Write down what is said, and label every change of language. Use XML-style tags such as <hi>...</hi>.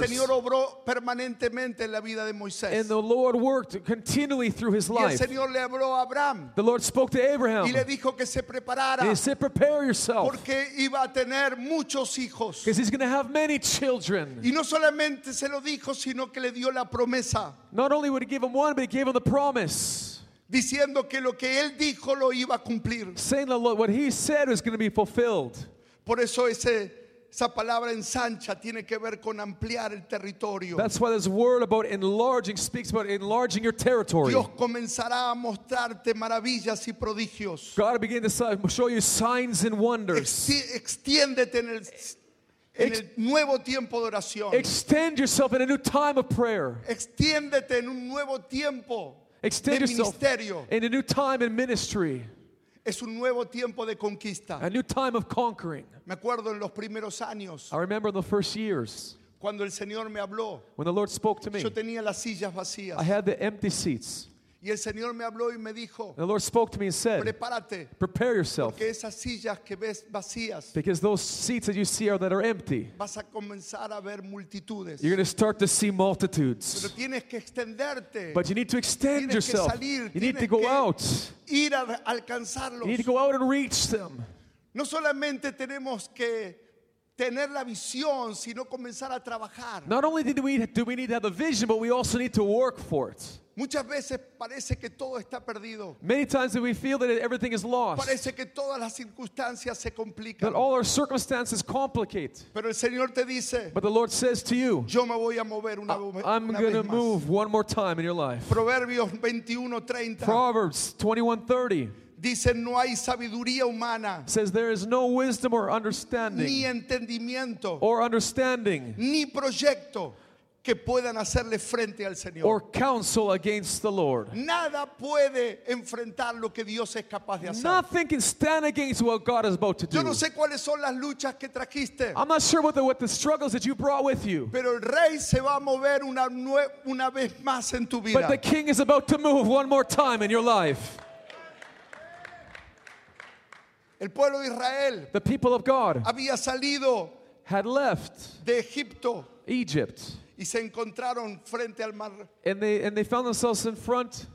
<es>Y el Señor obró permanentemente en la vida de Moisés.</es> <en>And the Lord worked continually through his life.</en> <es>Y el Señor le habló a Abraham.</es> <en>The Lord spoke to Abraham.</en> <es>Y le dijo que se preparara.</es> <en>And he said, prepare yourself.</en> <es>Porque iba a tener muchos hijos.</es> <en>Because he's going to have many children.</en> <es>Y no solamente se lo dijo, sino que le dio la promesa.</es> <en>Not only would he give him one, but he gave him the promise.</en> <es>diciendo que lo que él dijo lo iba a cumplir.</es> <en>Saying the Lord, what he said was going to be fulfilled.</en> <es>Por eso esa palabra ensancha tiene que ver con ampliar el territorio.</es> <en>That's why this word about enlarging speaks about enlarging your territory.</en> <es>Dios comenzará a mostrarte maravillas y prodigios.</es> <en>God will begin to show you signs and wonders.</en> <es>Extiéndete en el nuevo tiempo de oración.</es> <en>Extend yourself in a new time of prayer.</en> <es>Extiéndete en un nuevo tiempo.</es> <en>Extend yourself in a new time in ministry.</en> <es>Es un nuevo tiempo de conquista.</es> <en>A new time of conquering.</en> <es>Me acuerdo en los primeros años.</es> <en>I remember the first years.</en> <es>Cuando el Señor me habló.</es> <en>When the Lord spoke to me.</en> <es>Yo tenía las sillas vacías.</es> <en>I had the empty seats.</en> <es>Y el Señor me habló y me dijo.</es> <en>And the Lord spoke to me and said.</en> <es>Prepárate.</es> <en>Prepare yourself.</en> <es>Porque esas sillas que ves vacías.</es> <en>Because those seats that you see are that are empty.</en> <es>Vas a comenzar a ver multitudes.</es> <en>You're going to start to see multitudes.</en> <es>Pero tienes que extenderte.</es> <en>But you need to extend yourself.</en> <es>Tienes que salir.</es> <en>You need to go out.</en> <es>Ir a alcanzarlos.</es> <en>You need to go out and reach them.</en> <es>No solamente tenemos que tener la visión, sino comenzar a trabajar.</es> <en>Not only do we need to have a vision, but we also need to work for it.</en> <es>Muchas veces parece que todo está perdido.</es> <en>Many times we feel that everything is lost.</en> <es>Parece que todas las circunstancias se complican.</es> <en>That all our circumstances complicate.</en> <es>Pero el Señor te dice.</es> <en>But the Lord says to you.</en> <es>Yo me voy a mover una vez más.</es> <en>I'm going to move one more time in your life.</en> <es>Proverbs 21:30. Dice no hay sabiduría humana.</es> <en>Says there is no wisdom or understanding.</en> <es>Ni entendimiento.</es> <en>Or understanding.</en> <es>Ni proyecto. Que puedan hacerle frente al Señor.</es> <en>Or counsel against the Lord.</en> <es>Nada puede enfrentar lo que Dios es capaz de hacer.</es> <en>Nothing can stand against what God is about to do.</en> <es>Yo no sé cuáles son las luchas que trajiste.</es> <en>I'm not sure what the struggles that you brought with you.</en> <es>Pero el rey se va a mover una vez más en tu vida.</es> <en>But the king is about to move one more time in your life.</en> <es>El pueblo de Israel.</es> <en>The people of God.</en> <es>Había salido.</es> <en>Had left.</en> <es>De Egipto.</es> <en>Egypt.</en> <es>Y se encontraron frente al mar.</es> <en>And they found themselves in front</en>